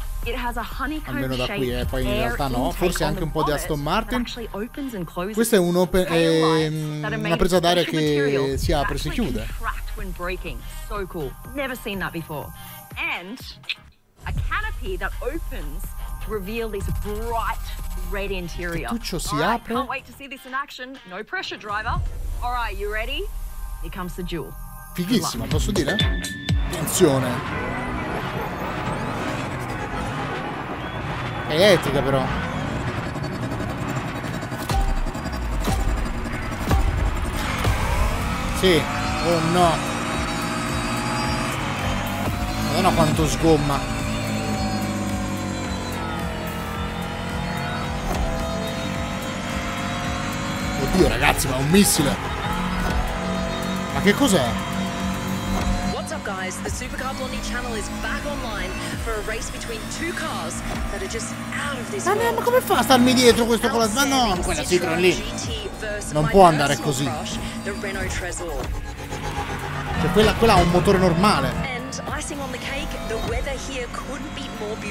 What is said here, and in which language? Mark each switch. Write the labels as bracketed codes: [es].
[en] It has a honeycomb, [it] almeno da qui, poi in realtà no, forse anche un po' di Aston Martin. Questo è un open, una presa d'aria che si apre e si chiude. [en] So cool. Never seen that before. And a canopy that opens to reveal this bright red interior. [it] Tuccio si apre. [en] Can't wait to see this in action. No pressure, driver. All right, you ready? Here comes the jewel. [it] Fighissimo, posso dire? Attenzione. È etica però. Sì, oh no. Madonna quanto sgomma. Oddio ragazzi, ma è un missile. Ma che cos'è? [en] Guys, the Supercar Blondie channel is back online for a race between two cars that are just out of this world. [it] Ma come fa a starmi dietro questo colas? Ma no, quella Citroen lì non può andare così. Cioè quella ha un motore normale. [en] And icing on the cake, the weather here couldn't be more beautiful.